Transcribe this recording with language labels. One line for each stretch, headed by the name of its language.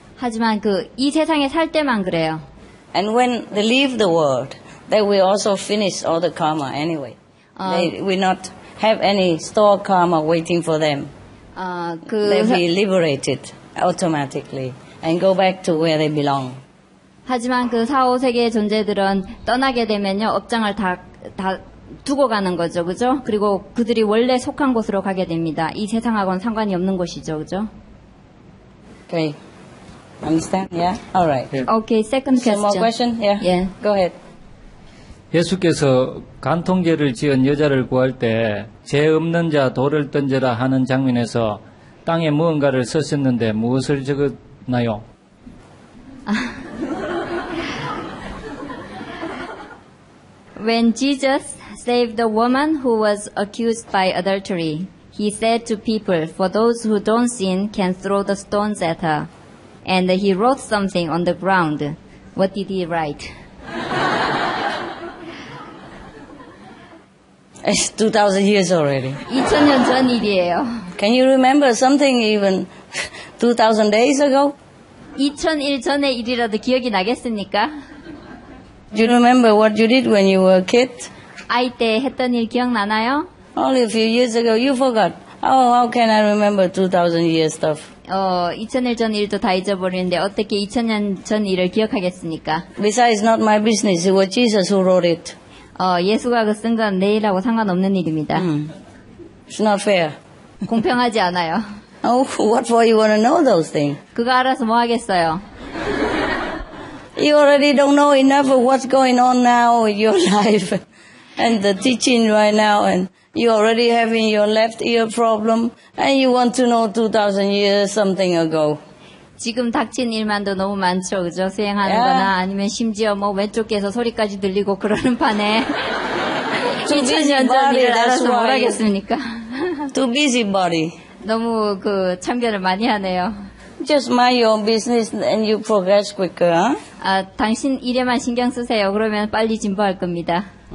Korean: 하지만 그 이 세상에 살 때만 그래요.
English: And when they leave the world, they will also finish all the karma anyway. They will not have any stored karma waiting for them. They will be liberated automatically and go back to where they belong.
Korean: 하지만 그 4, 5세계의 존재들은 떠나게 되면요, 업장을 다 두고 가는 거죠, 그죠? 그리고 그들이 원래 속한 곳으로 가게 됩니다. 이 세상하고는 상관이 없는 곳이죠, 그죠?
English: Okay. Understand? Yeah? Alright. Okay, second question. Some more question? Yeah. Yeah. Go ahead.
Korean: 예수께서 간통죄를 지은 여자를 구할 때 죄 없는 자 돌을 던져라 하는 장면에서 땅에 무언가를 쓰셨는데 무엇을 적었나요?
English: When Jesus saved the woman who was accused by adultery, he said to people, "For those who don't sin can throw the stones at her." And he wrote something on the ground. What did he write? It's 2,000 years already.
Korean: 2,000년 전 일이에요.
English: Can you remember something even 2,000 days ago?
Korean: 2,000일 전의 일이라도 기억이 나겠습니까?
English: Do you remember what you did when you were a kid?
Korean: 아이 때 했던 일 기억나나요?
English: Only a few years ago, you forgot. How can I remember 2,000 years stuff?
Korean: 2,000일 전 일도 다 잊어버리는데 어떻게 2,000년 전 일을 기억하겠습니까?
English: Besides, not my business. It was Jesus who wrote it.
Korean: 예수가 그 쓴 건 내 일하고 상관없는 일입니다.
English: It's not fair.
Korean: 공평하지 않아요.
English: Oh, what for you want to know those things?
Korean: 그거 알아서 뭐 하겠어요?
English: You already don't know enough of what's going on now in your life and the teaching right now, and you already having your left ear problem, and you want to know 2,000 years something ago.
Korean: 지금 닥친 일만도 너무 많죠, 그죠? 수행하는거나 yeah. 아니면 심지어 뭐 왼쪽에서 소리까지 들리고 그러는 판에 2,000년 전 일을 알아서 뭘 하겠습니까?
English: Too busy body.
Korean: 너무 그 참견을 많이 하네요.
English: Just mind your own business and you progress quicker. Huh?
Korean: 당신 일에만 신경 쓰세요. 그러면 빨리 진보할 겁니다.